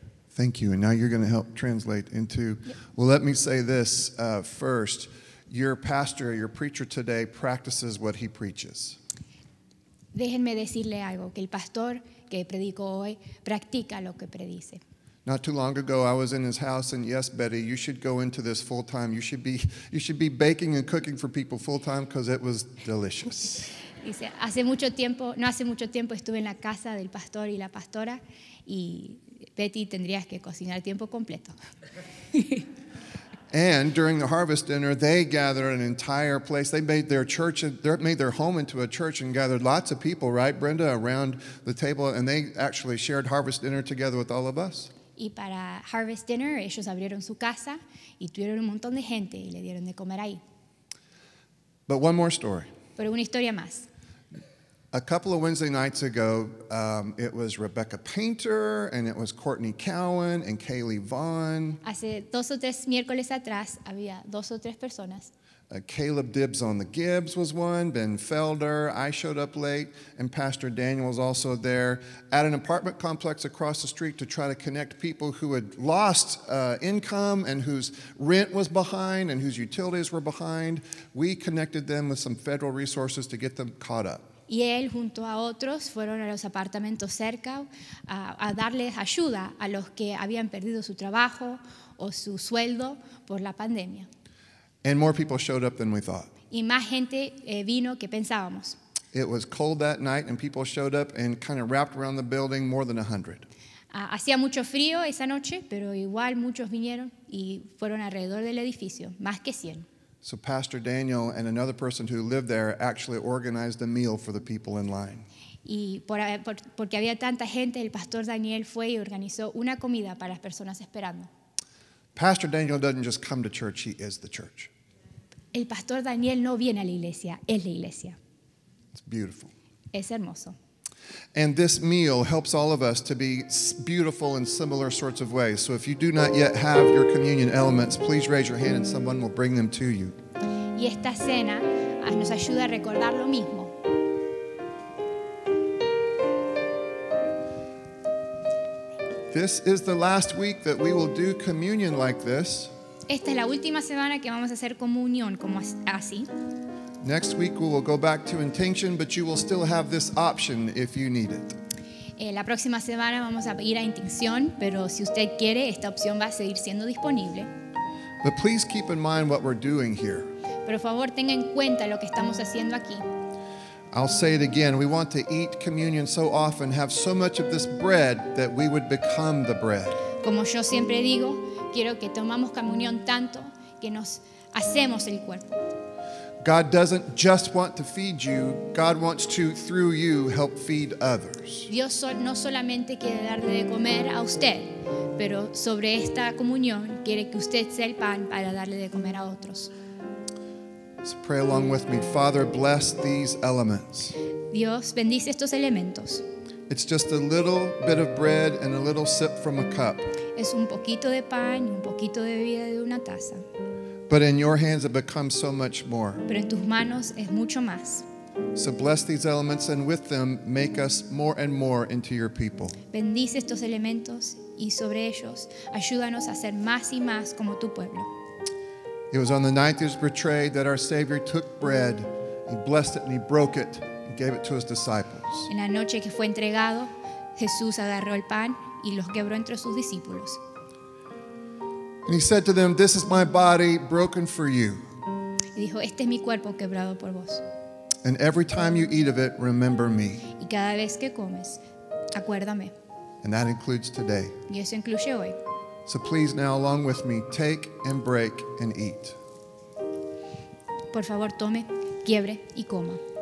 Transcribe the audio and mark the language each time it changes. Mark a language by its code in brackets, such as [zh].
[en] Thank you. And now you're going to help translate into. Yep. Well, let me say this first. Your pastor, your preacher today, practices what he preaches. [es] Déjenme decirle algo, que el pastor que predicó hoy practica lo que predice. [en] Not too long ago, I was in his house, and yes, Betty, you should go into this full time. You should be baking and cooking for people full time because it was delicious. [es] Dice, no hace mucho tiempo estuve en la casa del pastor y la pastora, y Betty, tendrías que cocinar tiempo completo. [en] And during the harvest dinner, they gathered an entire place. They made their church, made their home into a church and gathered lots of people, right, Brenda, around the table. And they actually shared harvest dinner together with all of us. [es] Y para harvest dinner, ellos abrieron su casa y tuvieron un montón de gente y le dieron de comer ahí. [en] But one more story. [es] Pero una historia más. [en] A couple of Wednesday nights ago, it was Rebecca Painter, and it was Courtney Cowan and Kaylee Vaughn. [es] Hace dos o tres miércoles atrás había dos o tres personas. [en] Caleb Dibbs on the Gibbs was one, Ben Felder, I showed up late, and Pastor Daniel was also there at an apartment complex across the street to try to connect people who had lost income and whose rent was behind and whose utilities were behind. We connected them with some federal resources to get them caught up. [es] Y él junto a otros fueron a los apartamentos cerca a darles ayuda a los que habían perdido su trabajo o su sueldo por la pandemia. [en] And more people showed up than we thought. [es] Y más gente vino que pensábamos. [en] It was cold that night and people showed up and kind of wrapped around the building more than 100. [es] Hacía mucho frío esa noche, pero igual muchos vinieron y fueron alrededor del edificio, más que 100. [en] So Pastor Daniel and another person who lived there actually organized a meal for the people in line. [es] Y porque había tanta gente, el Pastor Daniel fue y organizó una comida para las personas esperando. [en] Pastor Daniel doesn't just come to church, he is the church. [es] El Pastor Daniel no viene a la iglesia, es la iglesia. [en] It's beautiful. [es] Es hermoso. [en] And this meal helps all of us to be beautiful in similar sorts of ways. So if you do not yet have your communion elements, please raise your hand and someone will bring them to you. [es] Y esta cena nos ayuda a recordar lo mismo. [en] This is the last week that we will do communion like this. [es] Esta es la última semana que vamos a hacer comunión como así. [en] Next week we will go back to intention, but you will still have this option if you need it. [es] La próxima semana vamos a ir a intención, pero si usted quiere, esta opción va a seguir siendo disponible. [en] But please keep in mind what we're doing here. [es] Por favor, tenga en cuenta lo que estamos haciendo aquí. [en] I'll say it again. We want to eat communion so often, have so much of this bread that we would become the bread. [es] Como yo siempre digo, quiero que tomamos comunión tanto que nos hacemos el cuerpo. [en] God doesn't just want to feed you. God wants to, through you, help feed others. [es] Dios no solamente quiere darle de comer a usted, pero sobre esta comunión quiere que usted sea el pan para darle de comer a otros. [en] So pray along with me. Father, bless these elements. [es] Dios bendice estos elementos. [en] It's just a little bit of bread and a little sip from a cup. [es] Es un poquito de pan y un poquito de bebida de una taza. [en] But in your hands it becomes so much more. [es] Pero en tus manos es mucho más. [en] So bless these elements and with them make us more and more into your people. [es] Bendice estos elementos y sobre ellos ayúdanos a ser más y más como tu pueblo. [en] It was on the night he was betrayed that our Savior took bread, he blessed it and he broke it and gave it to his disciples. [es] En la noche que fue entregado, Jesús agarró el pan y los quebró entre sus discípulos. [en] And he said to them, "This is my body broken for you." [es] Y dijo, "Este es mi cuerpo quebrado por vos." [en] And every time you eat of it, remember me. [es] Y cada vez que comes, acuérdame. [en] And that includes today. [es] Y eso incluye hoy. [en] So please now, along with me, take and break and eat. [es] Por favor, tome, quiebre y coma.